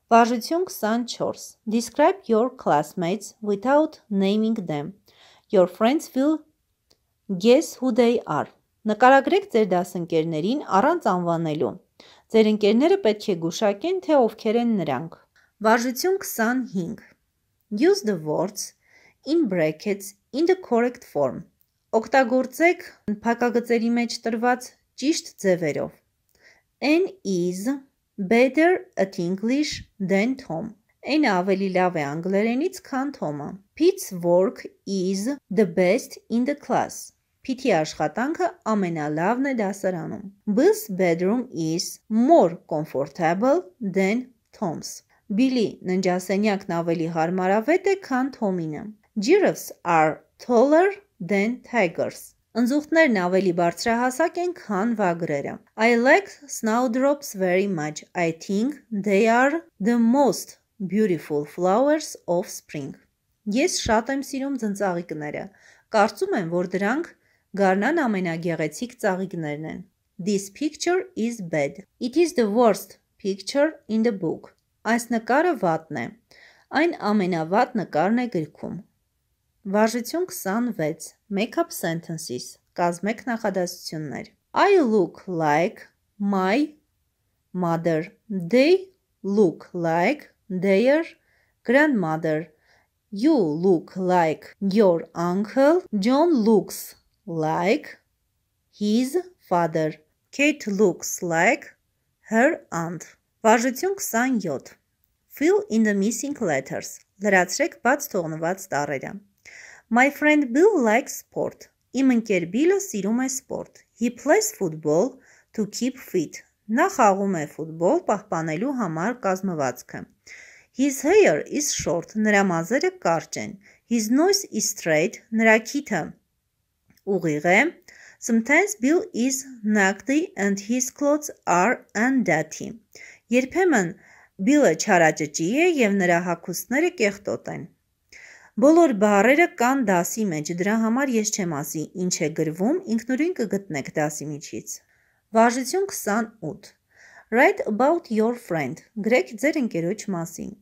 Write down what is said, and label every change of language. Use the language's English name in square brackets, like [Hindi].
[Armenian] Վարժություն 24. [English] Describe your classmates without naming them. Your friends will guess who they are. [Armenian] Նկարագրեք ձեր դասընկերներին առանց անվանելու. Ձեր ընկերները պետք է գուշակեն, թե ովքեր են նրանք. Վարժություն 25. [English] Use the words in brackets in the correct form. [Armenian] Օգտագործեք փակագծերի մեջ տրված ճիշտ ձևերով. [English] N is better at English than Tom. [Armenian] Այն ավելի լավ է անգլերենից, քան Թոմը. [English] Pete's work is the best in the class. [Armenian] Pete-ի աշխատանքը ամենալավն է դասարանում. [English] Bill's bedroom is more comfortable than Tom's. [Armenian] Billy-ի ննջասենյակն ավելի հարմարավետ է, քան Թոմինը. [English] Giraffes are taller than tigers. [Armenian] Ընձուղտներն ավելի բարձրահասակ են, քան վագրերը. [English] I like snowdrops very much. I think they are the most beautiful flowers of spring. [Armenian] Ես շատ եմ սիրում ծնծաղիկները. Կարծում եմ, որ դրանք գարնան ամենագեղեցիկ ծաղիկներն են. [English] This picture is bad. It is the worst picture in the book. [Armenian] Այս նկարը վատն է. Այն ամենավատ նկարն է գրքում. Վարժություն 26. [English] Make up sentences. [Armenian] Կազմեք նախադասություններ. [English] I look like my mother. They look like their grandmother. You look like your uncle. John looks like his father. Kate looks like her aunt. [Armenian] Վարժություն 27. [English] Fill in the missing letters. [Armenian] Լրացրեք բաց թողնված տառերը. [English] My friend Bill likes sport. [Armenian] Իմ ընկեր Billը սիրում է սպորտ. [English] He plays football to keep fit. [Armenian] Նա խաղում է ֆուտբոլ պահպանելու համար կազմվածքը. [English] His hair is short. [Armenian] Նրա մազերը կարճ են. [English] His nose is straight. [Armenian] Նրա քիթը ուղիղ է. [English] Sometimes Bill is naughty and his clothes are undirty. [Armenian] Երբեմն Billը չարաճճի է եւ նրա հագուստները կեղտոտ են. Բոլոր բառերը կան դասի մեջ, դրա համար ես չեմ ասի ինչ է գրվում, ինքնուրույն կգտնեք դասի միջից։ Վարժություն 28. [English] Write about your friend. [Armenian] Գրեք ձեր ընկերոջ մասին.